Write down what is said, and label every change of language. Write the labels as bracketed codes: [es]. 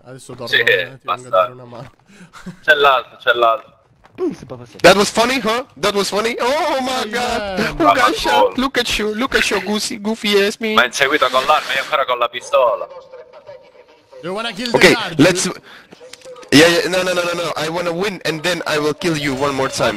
[it] Adesso torno, sì, ti vengo a dare una mano. C'è l'altro. [en] That was funny, oh my god, Ugasha, look at you, goofy ass me. [it] Ma in seguito con l'arma, io ancora con la pistola. [en] You wanna kill the guard? Let's... Yeah, no, I wanna win and then I will kill you one more time.